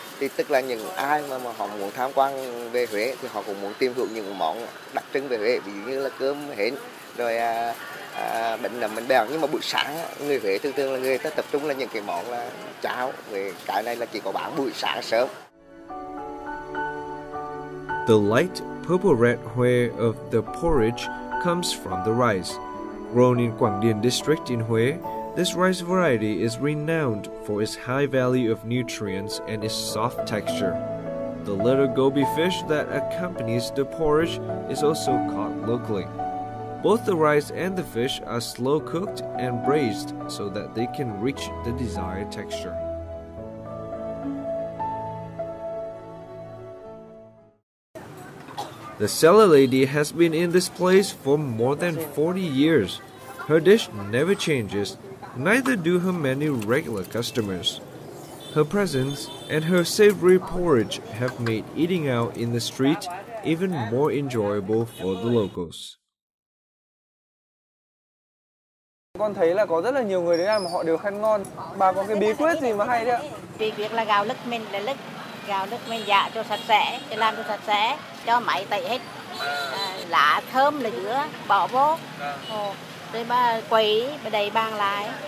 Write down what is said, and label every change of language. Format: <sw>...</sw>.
<vi>Thì tức là những ai mà họ muốn tham quan về Huế thì họ cũng muốn tìm hiểu những món đặc trưng về Huế, ví dụ như là cơm hến, rồi bánh nậm bánh bèo. Nhưng mà buổi sáng người Huế thường thường là người ta tập trung là những cái món là cháo, về cái này là chỉ có bán buổi sáng sớm.</vi> <en>The light purple-red Hue of the porridge comes from the rice. Grown in Quảng Điền district in Hue, this rice variety is renowned for its high value of nutrients and its soft texture. The little goby fish that accompanies the porridge is also caught locally. Both the rice and the fish are slow cooked and braised so that they can reach the desired texture. The cellar lady has been in this place for more than 40 years. Her dish never changes, neither do her many regular customers. Her presence and her savory porridge have made eating out in the street even more enjoyable for the locals.</en> <vi>Con thấy là có rất là nhiều người đến ăn mà họ đều khen ngon. Bà có cái bí quyết gì mà hay đấy ạ? Bí quyết là gạo lứt mình để lứt. Gạo lứt mình dạ cho sạch sẽ, cho làm cho sạch sẽ, cho máy tẩy hết. Lá thơm là giữa, bỏ vô. Rồi bà quấy, bà đầy bàn lại.</vi>